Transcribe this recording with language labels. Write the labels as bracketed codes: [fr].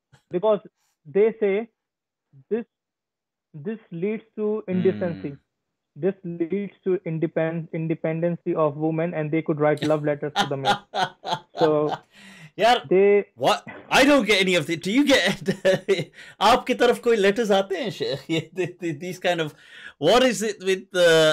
[en] Because they say this leads to indecency. Mm. This leads to independency of women, and they could write love letters to the men. So, yeah, they what? I don't get any of it. Do you get? [ur] آپکی طرف کوئی letters آتے ہیں، شیخ؟ [en] These kind of, what is it with the?